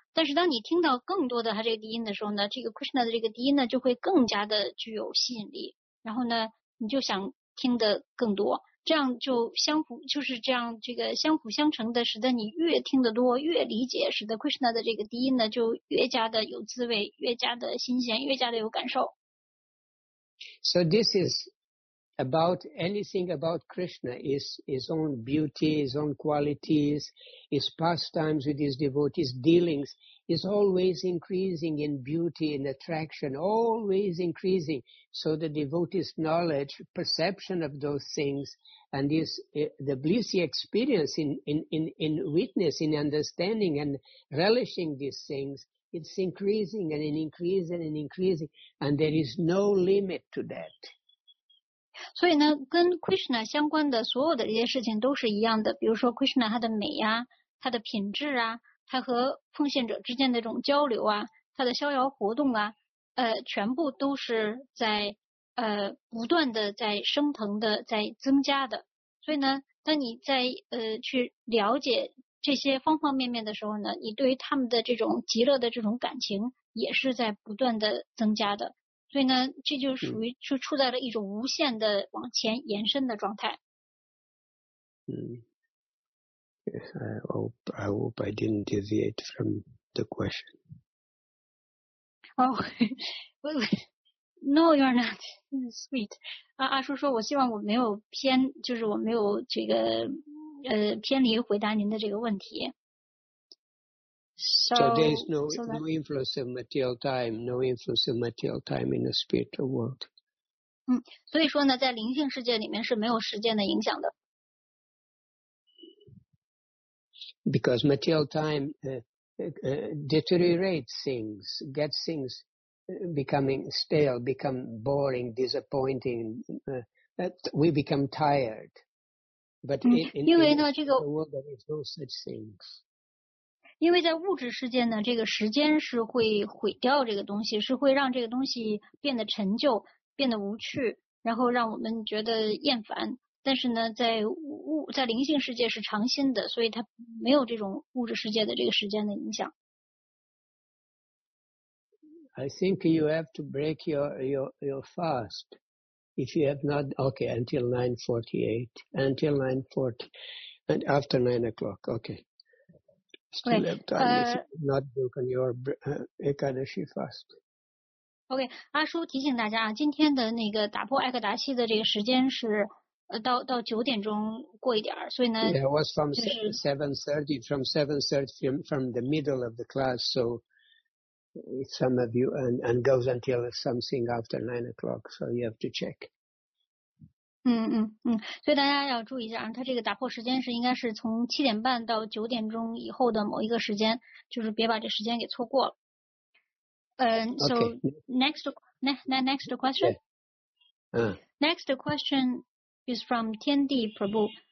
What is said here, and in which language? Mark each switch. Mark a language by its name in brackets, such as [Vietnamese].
[Chinese] 但是当你听到更多的他这个笛音的时候呢，这个 Krishna 的这个笛音呢就会更加的具有吸引力，然后呢你就想听得更多。这样就相辅，就是这样，这个相辅相成的，使得你越听得多，越理解，使得 Krishna 的这个笛音呢，就越加的有滋味，越加的新鲜，越加的有感受。 [English] So this is about anything about Krishna is his own beauty, his own qualities, his pastimes with his devotees, dealings is always increasing in beauty, in attraction, always increasing. So the devotee's knowledge, perception of those things. And this, the bliss he experience in witness, in understanding and relishing these things, it's increasing and increasing and increasing, and there is no limit to that. [Chinese] 所以呢，跟 Krishna 相关的所有的这些事情都是一样的。比如说 Krishna 他的美呀、啊，他的品质啊，他和奉献者之间的这种交流啊，他的逍遥活动啊，全部都是在。不断的在升腾的在增加的，所以呢当你在去了解这些方方面面的时候呢，你对于他们的这种极乐的这种感情也是在不断的增加的，所以呢这就属于就处在了一种无限的往前延伸的状态。 [English] I hope I didn't deviate from the question. No, you're not sweet. [Chinese] 阿叔说，我希望我没有偏，就是我没有这个偏离回答您的这个问题。 [English] So there is no influence of material time, no influence of material time in the spiritual world. [Chinese] 所以说呢，在灵性世界里面是没有时间的影响的。 [English] Because material time deteriorates things, gets things. Becoming stale, become boring, disappointing, we become tired. But in the world there is no such things. [Chinese] 因为在物质世界呢，这个时间是会毁掉这个东西，是会让这个东西变得陈旧，变得无趣，然后让我们觉得厌烦。但是呢，在灵性世界是常新的，所以它没有这种物质世界的这个时间的影响。 [English] I think you have to break your fast if you have not, okay, until 9:48, until 9:40, and after 9 o'clock, okay. Still okay, have time if you have not broken your Ekadashi fast. [Chinese] Okay, 阿叔提醒大家，今天的那个打破艾克达西的这个时间是到九点钟过一点，所以呢 [English] Yeah, it was from 7:30, from 7:30 from the middle of the class, so... Some of you and goes until something after 9 o'clock, so you have to check. [Chinese] 所以大家要注意一下，他这个打破时间是应该是从7:30到9:00以后的某一个时间，就是别把这时间给错过了。 [English] So next question. Next question is from Tiandi Prabhu.